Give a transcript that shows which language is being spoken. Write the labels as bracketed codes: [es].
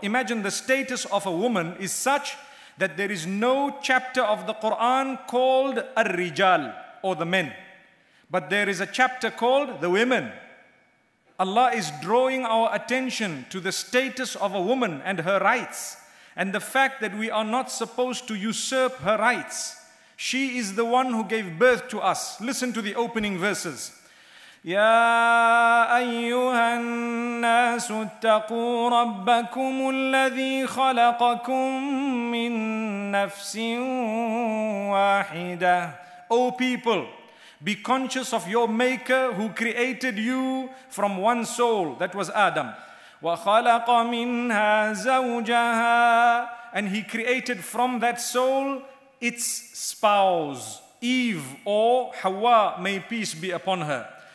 [en] Imagine the status of a woman is such that there is no chapter of the Quran called Ar-Rijal, or the men, but there is a chapter called the women. Allah is drawing our attention to the status of a woman and her rights, and the fact that we are not supposed to usurp her rights. She is the one who gave birth to us. Listen to the opening verses. [ar] يا أيها الناس اتقوا ربكم الذي خلقكم من نفس واحدة. [en] O people, be conscious of your maker who created you from one soul, that was Adam. [ar] وخلق منها زوجها, [en] and he created from that soul its spouse, Eve or Hawa, may peace be upon her.